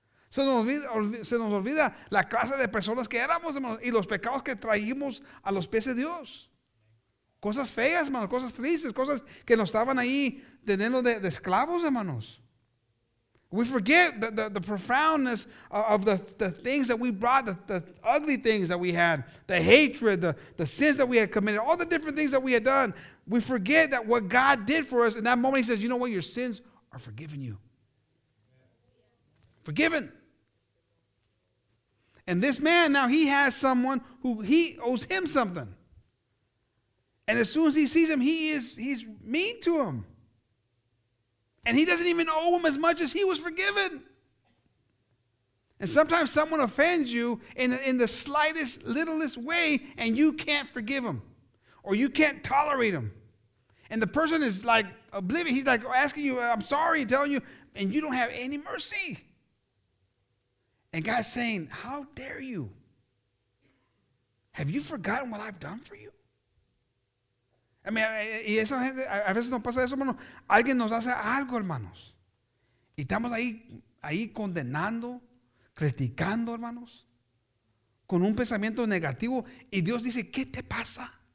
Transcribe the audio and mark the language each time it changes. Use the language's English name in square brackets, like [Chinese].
[Spanish] Se nos olvida la clase de personas que éramos, hermanos, y los pecados que traímos a los pies de Dios. Cosas feas, hermanos, cosas tristes, cosas que nos estaban ahí teniendo de esclavos, hermanos. [English] We forget the profoundness of the things that we brought, the ugly things that we had, the hatred, the sins that we had committed, all the different things that we had done. We forget that what God did for us in that moment, he says, you know what? Your sins are forgiven you. Forgiven. And this man, now he has someone who he owes him something. And as soon as he sees him, he's mean to him. And he doesn't even owe him as much as he was forgiven. And sometimes someone offends you in the slightest, littlest way, and you can't forgive him. Or you can't tolerate him. And the person is like oblivious. He's like asking you, I'm sorry, telling you, and you don't have any mercy. And God's saying, how dare you? Have you forgotten what I've done for you? [Spanish] I mean, y esa gente, a veces nos pasa eso, hermano. Alguien nos hace algo, hermanos. Y estamos ahí condenando, criticando, hermanos, con un pensamiento negativo. Y Dios dice, ¿qué te pasa?